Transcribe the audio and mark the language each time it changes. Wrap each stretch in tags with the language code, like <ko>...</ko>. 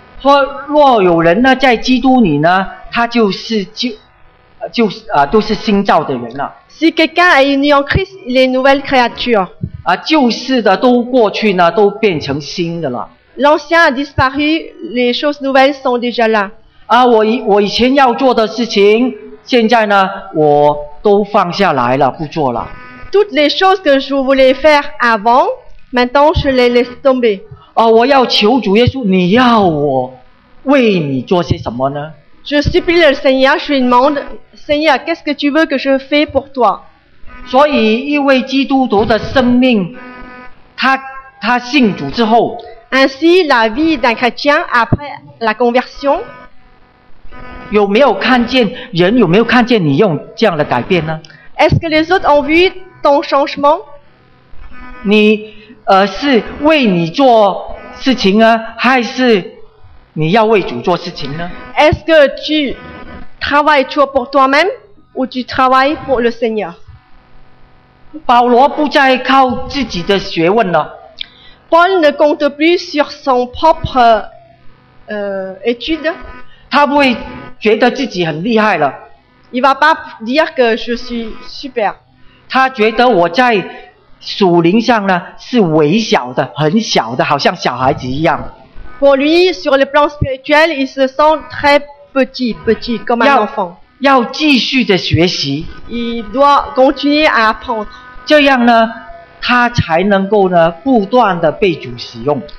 <zh>说若有人呢在基督里呢，他都是新造的人了。</zh> <fr>Si quelqu'un est né en Christ, il est nouvelle créature.</fr> <zh>旧事的都过去呢，都变成新的了。</zh> <fr>L'ancien a disparu, les choses nouvelles sont déjà là.</fr> <zh>我以前要做的事情，现在呢，我都放下来了，不做了。</zh> <fr>Toutes les choses que je voulais faire avant, maintenant je les laisse tomber.</fr> <zh>我要求主耶稣，你要我为你做些什么呢？</zh> <fr>Je supplie le Seigneur, je lui demande, Seigneur, qu'est-ce que tu veux que je fasse pour toi?</fr> <zh>所以一位基督徒的生命，他信主之后，</zh> <fr>Ainsi, la vie d'un chrétien après la conversion,</fr> <zh>有没有看见人有没有看见你用这样的改变呢？</zh> <fr>Est-ce que les autres ont vu ton changement?</fr> <zh>你是为你做事情啊，还是你要为主做事情呢？</zh> <fr>Est-ce que tu travailles toi pour toi-même ou tu travailles pour le Seigneur?</fr> <zh>保罗不再靠自己的学问了。</zh> <fr>Paul ne compte plus sur son propre étude.</fr> <zh>他不会觉得自己很厉害了。</zh> <fr>Il va pas dire que je suis super.</fr> <zh>他觉得我在属灵上呢是微小的，很小的，好像小孩子一样。</zh> <fr>Pour lui, sur le plan spirituel, il se sent très petit, petit, comme un enfant.</fr> <zh>要继续的学习。</zh> <fr>Il doit continuer à apprendre.</fr> <zh>这样呢，他才能够呢，不断的被主使用。</zh>